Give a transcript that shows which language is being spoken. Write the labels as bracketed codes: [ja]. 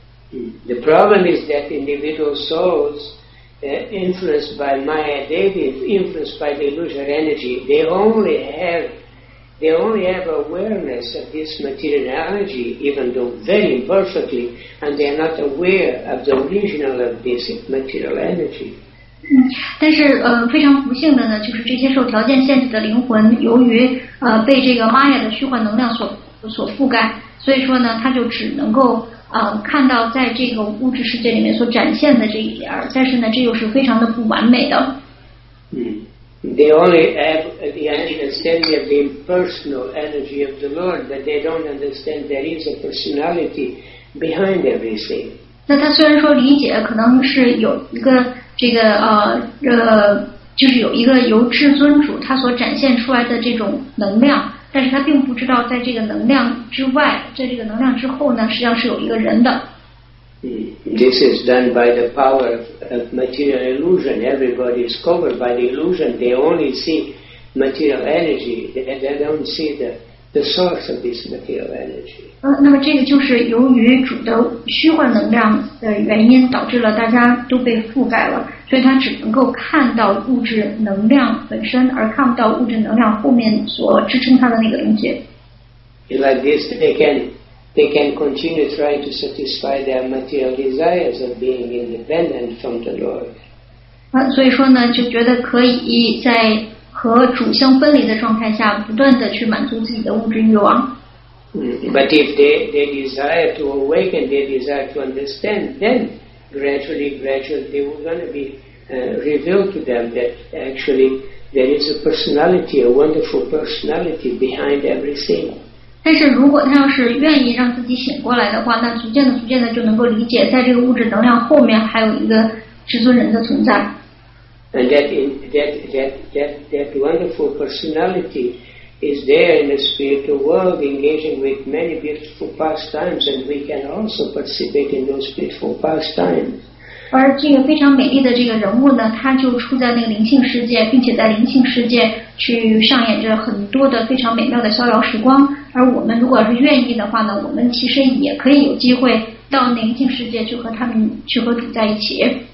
[en] The problem is that individual souls, influenced by Maya Devi, influenced by the illusory energy, they only have awareness of this material energy, even though very imperfectly, and they are not aware of the original of this material energy. [zh] 但是非常不幸的呢，就是这些受条件限制的灵魂，由于被这个玛雅的虚幻能量所覆盖，所以说呢，他就只能够看到在这个物质世界里面所展现的这一点，但是呢，这又是非常的不完美的。 [en] They only have the understanding of the impersonal energy of the Lord, but they don't understand there is a personality behind everything. [zh] 那他虽然说理解可能是有一个这个就是有一个由至尊主他所展现出来的这种能量，但是他并不知道在这个能量之外，在这个能量之后呢，实际上是有一个人的。 [en] This is done by the power of material illusion. Everybody is covered by the illusion. They only see material energy. They don't see the source of this material energy. [zh] 那么这个就是由于主的虚幻能量的原因，导致了大家都被覆盖了，所以他只能够看到物质能量本身，而看不到物质能量后面所支撑他的那个东西。 [en] Like this, they can continue trying to satisfy their material desires of being independent from the Lord. [zh] 所以说呢，就觉得可以在和主相分离的状态下，不断的去满足自己的物质欲望。 [en] But if they desire to awaken, they desire to understand, then gradually they were going to be revealed to them that actually there is a personality, a wonderful personality behind everything. [zh] 但是如果他要是愿意让自己醒过来的话，那逐渐的就能够理解，在这个物质能量后面还有一个至尊人的存在。 [en] And that wonderful personality is there in the spiritual world, engaging with many beautiful pastimes, and we can also participate in those beautiful pastimes. [zh] 而这个非常美丽的这个人物呢，他就处在那个灵性世界，并且在灵性世界去上演着很多的非常美妙的逍遥时光。而我们如果是愿意的话呢，我们其实也可以有机会到宁静世界去和他们去和主在一起。